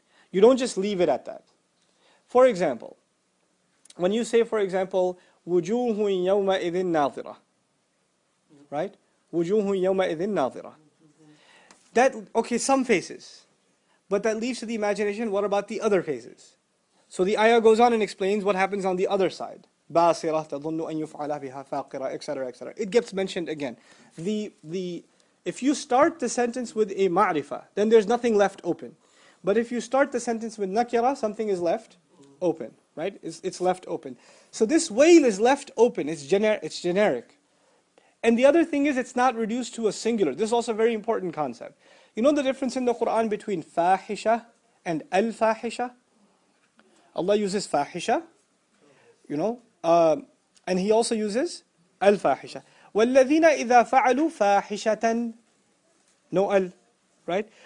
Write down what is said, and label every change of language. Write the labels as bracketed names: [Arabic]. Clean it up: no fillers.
[English] You don't just leave it at that. For example, when you say, for example, [Arabic] وُجُوهٌ يَوْمَئِذٍ نَاظِرَةٌ, [English] right? [Arabic] وُجُوهٌ يَوْمَئِذٍ نَاظِرَةٌ. [English] That, okay, some faces. But that leaves to the imagination, what about the other faces? So the ayah goes on and explains what happens on the other side. [Arabic] بَاسِرَةٌ تَظُنُّ أَن يُفْعَلَ بِهَا فَاقِرَةٌ, etc., etc. [English] It gets mentioned again. If you start the sentence with a ma'rifah, then there's nothing left open. But if you start the sentence with nakira, something is left open. Right? It's left open. So this wail is left open. It's generic. And the other thing is, it's not reduced to a singular. This is also a very important concept. You know the difference in the Quran between fahisha and al-fahisha? Allah uses fahisha, you know, and He also uses al-fahisha. [Arabic] وَالَّذِينَ إِذَا فَعَلُوا فَاحِشَةً, [English] no al, right?